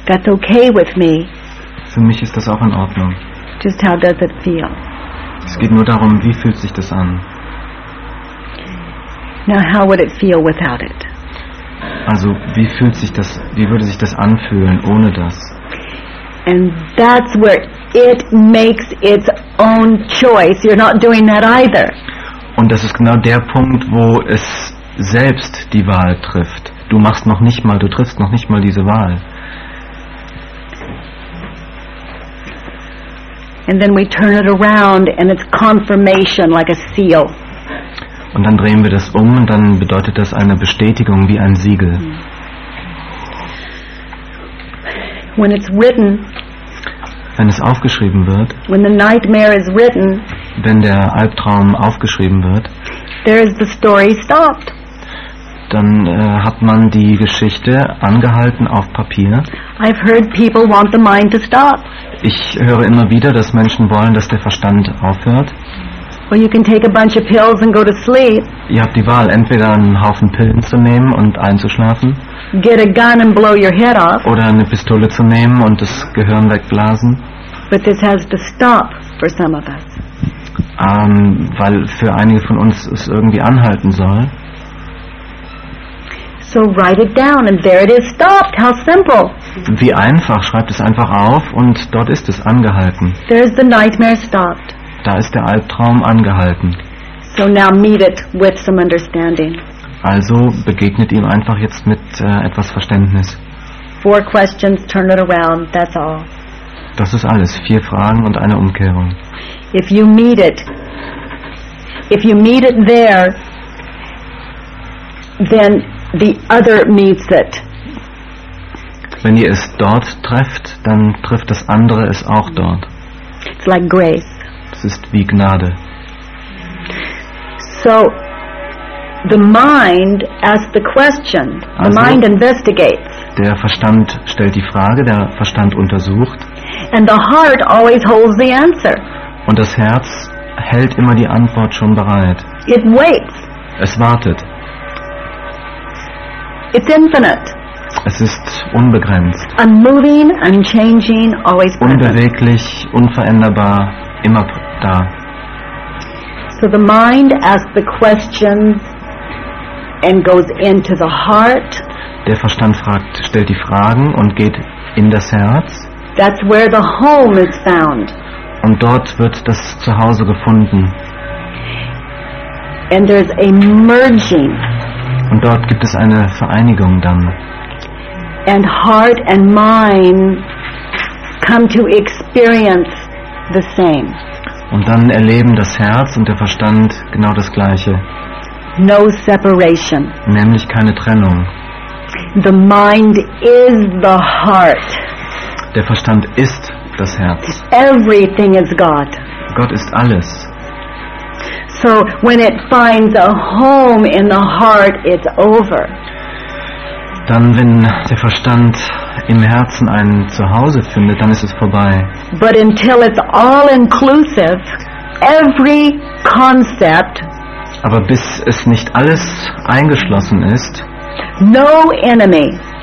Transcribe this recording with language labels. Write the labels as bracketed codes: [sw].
[en] That's okay with me. [de] Für mich ist das auch in Ordnung. [en] Just how does it feel? [de] Es geht nur darum, wie fühlt sich das an? [en] Now how would it feel without it? [de] Also, wie fühlt sich das, wie würde sich das anfühlen ohne das? [en] And that's where it makes its own choice. You're not doing that either. [de] Und das ist genau der Punkt, wo es selbst die Wahl trifft. Du triffst noch nicht mal diese Wahl. [en] And then we turn it around and it's confirmation like a seal. [de] Und dann drehen wir das um und dann bedeutet das eine Bestätigung wie ein Siegel. [en] When it's written, [de] wenn es aufgeschrieben wird, [en] when the nightmare is written, [de] wenn der Albtraum aufgeschrieben wird, [en] there is the story stopped. [de] Dann hat man die Geschichte angehalten auf Papier. [en] I've heard people want the mind to stop. [de] Ich höre immer wieder, dass Menschen wollen, dass der Verstand aufhört. [en] Well, you can take a bunch of pills and go to sleep. [de] Ihr habt die Wahl, entweder einen Haufen Pillen zu nehmen und einzuschlafen. [en] Get a gun and blow your head off. [de] Oder eine Pistole zu nehmen und das Gehirn wegblasen. [en] But this has to stop for some of us. [de] Weil für einige von uns es irgendwie anhalten soll. [en] So write it down and there it is stopped. How simple. [de] Wie einfach, schreibt es einfach auf und dort ist es angehalten. [en] There's the nightmare stopped. [de] Da ist der Albtraum angehalten. [en] So now meet it with some understanding. [de] Also begegnet ihm einfach jetzt mit etwas Verständnis. [en] 4 questions, turn it around, that's all. [de] Das ist alles, 4 Fragen und eine Umkehrung. [en] If you meet it there, then the other meets it. [de] Wenn ihr es dort trefft, dann trifft das andere es auch dort. [en] It's like grace. [de] Es ist wie Gnade. [en] So the mind asks the question. [de] Also, the mind investigates. Der Verstand stellt die Frage, der Verstand untersucht. [en] And the heart always holds the answer. [de] Und das Herz hält immer die Antwort schon bereit. [en] It waits. [de] Es wartet. [en] It's infinite. [de] Es ist unbegrenzt. [en] Unmoving, unchanging, always present. [de] Unbeweglich, unveränderbar, immer da. [en] So the mind asks the questions and goes into the heart. [de] Der Verstand fragt, stellt die Fragen und geht in das Herz. [en] That's where the home is found. [de] Und dort wird das Zuhause gefunden. [en] And there's a merging. [de] Und dort gibt es eine Vereinigung dann. [en] And heart and mind come to experience the same. [de] Und dann erleben das Herz und der Verstand genau das Gleiche. [en] No separation. [de] Nämlich keine Trennung. [en] The mind is the heart. [de] Der Verstand ist das Herz. [en] Everything is God. [de] Gott ist alles. [en] So when it finds a home in the heart, it's over. [de] Dann, wenn der Verstand im Herzen ein Zuhause findet, dann ist es vorbei. [en] But until it's all inclusive, every concept. [de] Aber bis es nicht alles eingeschlossen ist. [en] No enemy.